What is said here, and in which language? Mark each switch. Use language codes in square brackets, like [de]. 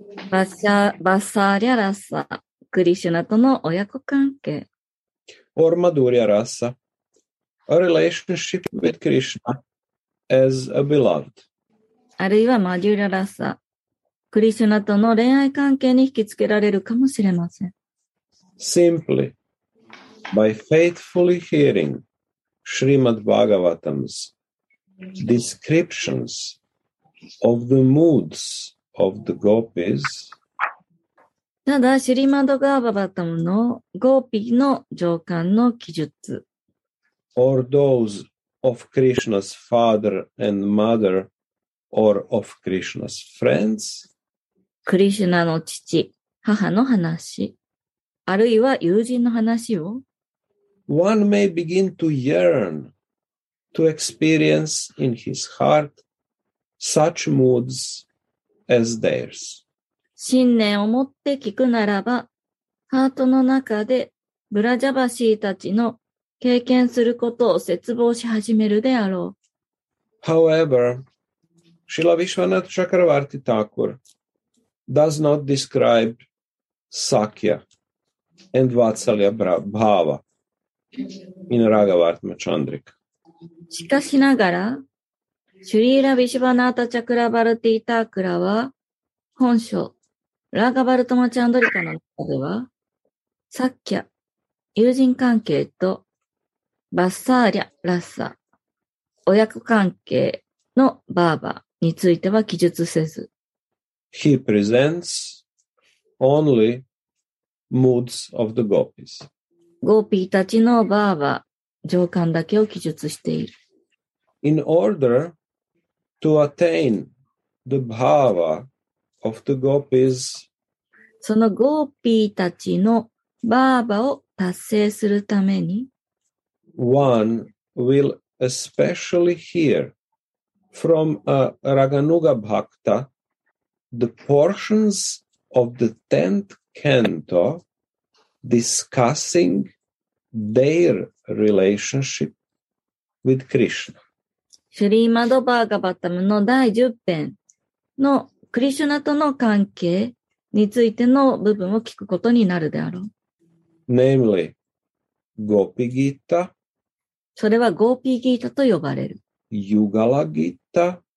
[ja] Vatsalya Rasa, Krishna との親子関係。 [en] Or Madhurya Rasa. A relationship with Krishna as a beloved. [ja] あるいはマデュララサ、クリシュナとの恋愛関係に引きつけられるかもしれません。 [en] Simply, by faithfully hearing Srimad Bhagavatam's descriptions of the moods of the gopis, [ja] ただ、シュリマド・ガーババタムのゴーピーの情感の記述。 [en] Or those of Krishna's father and mother, or of Krishna's friends. [ja] Krishna の父、母の話、あるいは友人の話を。 [en] One may begin to yearn to experience in his heart such moods as theirs. [ja] 信念を持って聞くならば、ハートの中でブラジャバシーたちの経験することを絶望し始めるであろう。 [en] However, Srila Vishwanath Chakravarti Thakur does not describe Sakya and Vatsalya Bhava in Raghavartma Chandrika. [ja] しかしながら、シュリーラ・ヴィシュヴァナータ・チャクラ・バルティ・タークラは、本書、ラーガ・バルトマ・チャンドリカの中では、サッキャ、友人関係と、バッサーリャ・ラッサ、親子関係のバーバについては記述せず。 [en] He presents only moods of the gopis. [ja] ゴーピーたちのバーバ、情感だけを記述している。 [en] In order to attain the bhava of the gopis, [ja] そのゴーピーたちのバーバを達成するために、 [en] One will especially hear from a Raganuga Bhakta the portions of the 10th canto discussing their relationship with Krishna. [ja] シュリーマドバーガバタムの第10編のクリシュナとの関係についての部分を聞くことになるであろう。 [en] Namely, Gopi Gita. [ja] それはゴーピーギータと呼ばれる。ユガラギータ。